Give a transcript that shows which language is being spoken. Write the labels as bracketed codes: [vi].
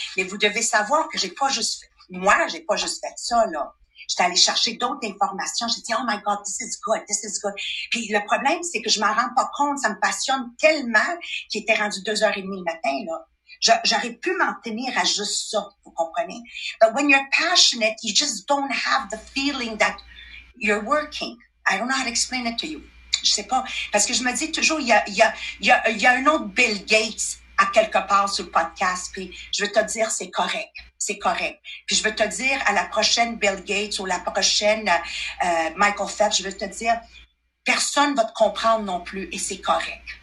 [fr] Mais vous devez savoir que j'ai pas juste fait ça, là. J'étais allée chercher d'autres informations. J'ai dit, [en] oh my God, this is good. [fr] Puis le problème, c'est que je m'en rends pas compte. Ça me passionne tellement qu'il était rendu 2h30 le matin, là. J'aurais pu m'en tenir à juste ça. Vous comprenez? [en] But when you're passionate, you just don't have the feeling that you're working. I don't know how to explain it to you. [fr] Je sais pas. Parce que je me dis toujours, il y a un autre Bill Gates à quelque part sur le podcast. Puis je veux te dire, c'est correct. C'est correct. Puis je veux te dire, à la prochaine Bill Gates ou la prochaine Michael Phelps, je veux te dire, personne ne va te comprendre non plus et c'est correct.